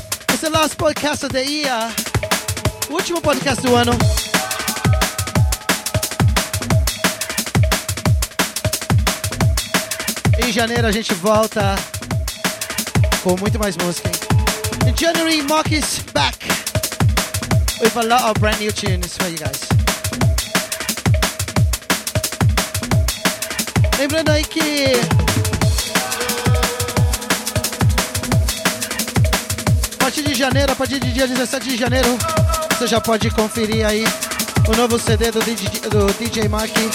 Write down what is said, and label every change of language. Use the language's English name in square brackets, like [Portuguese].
[English] It's the last podcast of the year. [Portuguese] O último podcast do ano. Em janeiro a gente volta com muito mais música. [English] In January, Marques back with a lot of brand new tunes for you guys. [Portuguese] Lembrando aí que a partir de janeiro, a partir do dia 17 de janeiro, você já pode conferir aí o novo CD do DJ Mark.